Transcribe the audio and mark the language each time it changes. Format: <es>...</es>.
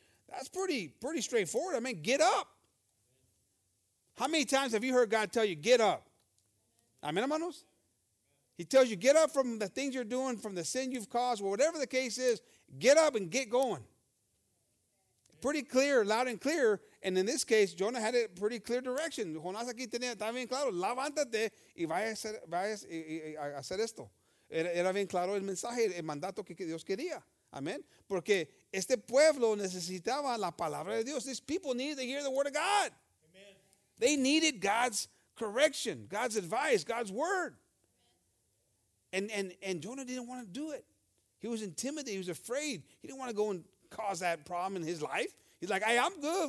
<en>That's pretty straightforward. I mean, get up. How many times have you heard God tell you, get up? Amen, hermanos? He tells you, get up from the things you're doing, from the sin you've caused, or whatever the case is, get up and get going. Pretty clear, loud and clear. And in this case, Jonah had a pretty clear direction.</en> <es>Jonás aquí tenía, está bien claro, levántate y vaya a hacer esto. Era bien claro el mensaje, el mandato que Dios quería. Amen. Porque este pueblo necesitaba la palabra de Dios.</es> <en>These people needed to hear the word of God. They needed God's correction, God's advice, God's word. And Jonah didn't want to do it. He was intimidated. He was afraid. He didn't want to go and cause that problem in his life. He's like, hey, I'm good.</en>